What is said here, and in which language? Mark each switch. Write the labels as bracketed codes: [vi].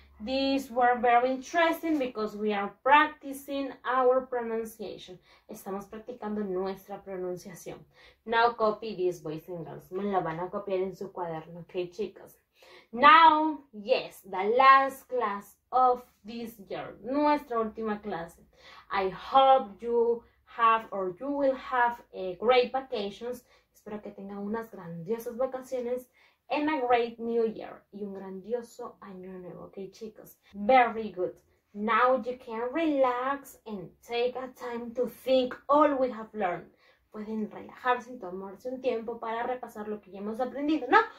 [en] These were very interesting because we are practicing our pronunciation. [es] Estamos practicando nuestra pronunciación. [en] Now copy these, boys and girls. [es] Me lo van a copiar en su cuaderno, okay, chicos? [en] Now, yes, the last class of this year. [es] Nuestra última clase. [en] I hope you have or you will have a great vacations. [es] Espero que tengan unas grandiosas vacaciones. [en] And a great new year. [es] Y un grandioso año nuevo, okay, chicos? [en] Very good. Now you can relax and take a time to think all we have learned. [es] Pueden relajarse y tomarse un tiempo para repasar lo que ya hemos aprendido, ¿no?